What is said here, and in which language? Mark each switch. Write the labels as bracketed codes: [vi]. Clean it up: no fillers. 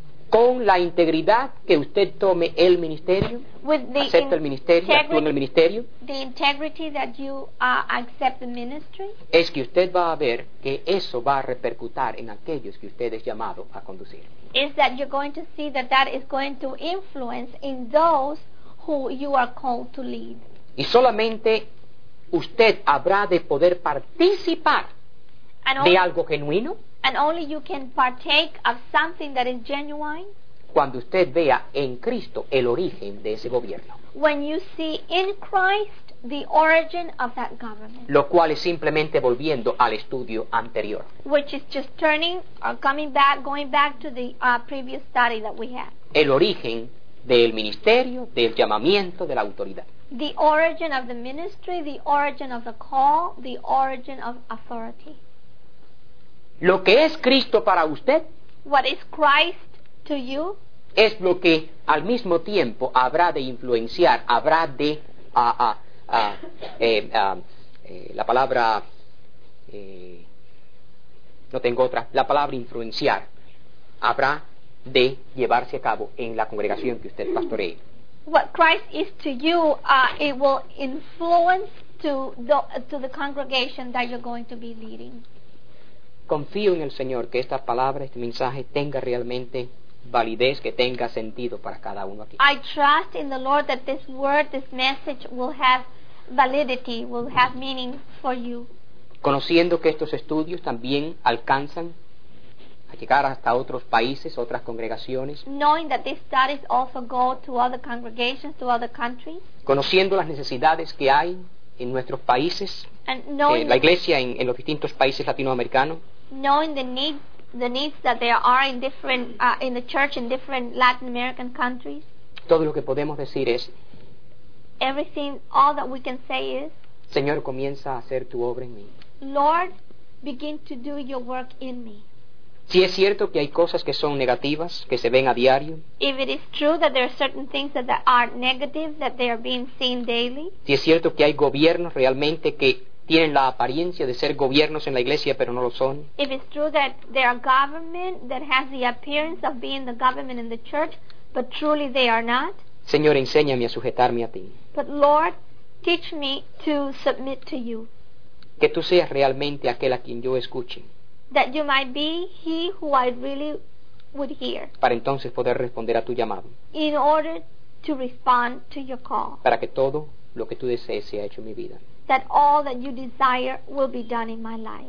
[es] Con la integridad que usted tome el ministerio, acepta el ministerio, actúa en el ministerio, [en] the integrity that you accept the ministry, [es] es que usted va a ver que eso va a repercutir en aquellos que usted es llamado a conducir. [en] Is that you're going to see that that is going to influence in those who you are called to lead. [es] Y solamente usted habrá de poder participar de algo genuino. [en] And only you can partake of something that is genuine. [es] Cuando usted vea en Cristo el origen de ese gobierno. [en] When you see in Christ the origin of that government. [es] Lo cual es simplemente volviendo al estudio anterior. [en] Which is just turning or coming back, going back to the previous study that we had. [es] El origen del ministerio, del llamamiento, de la autoridad. [en] The origin of the ministry, the origin of the call, the origin of authority. [es] Lo que es Cristo para usted, [en] what is Christ to you, [es] es lo que al mismo tiempo habrá de influenciar, habrá de influenciar, habrá de llevarse a cabo en la congregación que usted pastoree. [en] What Christ is to you, it will influence to the congregation that you're going to be leading. [es] Confío en el Señor que esta palabra, este mensaje tenga realmente validez, que tenga sentido para cada uno aquí. [en] I trust in the Lord that this word, this message will have validity, will have meaning for you. [es] Conociendo que estos estudios también alcanzan a llegar hasta otros países, otras congregaciones. [en] Knowing that these studies also go to other congregations, to other countries. [es] Conociendo las necesidades que hay en nuestros países, [en] knowing, [es] la iglesia en los distintos países latinoamericanos, [en] knowing the needs that there are in different in the church in different Latin American countries, [es] todo lo que podemos decir es, [en] everything, all that we can say is, [es] Señor, comienza a hacer tu obra en mí. [en] Lord, begin to do your work in me. [es] Si es cierto que hay cosas que son negativas, que se ven a diario. [en] If it is true that there are certain things that are negative, that they are being seen daily. [es] Si es cierto que hay gobiernos realmente que tienen la apariencia de ser gobiernos en la iglesia, pero no lo son. [en] If it is true that there are government that has the appearance of being the government in the church, but truly they are not. [es] Señor, enséñame a sujetarme a ti. [en] But Lord, teach me to submit to you. [es] Que tú seas realmente aquel a quien yo escuche. [en] That you might be he who I really would hear. [es] Para entonces poder responder a tu llamado. [en] In order to respond to your call. [es] Para que todo lo que tú desees sea hecho en mi vida. [en] That all that you desire will be done in my life.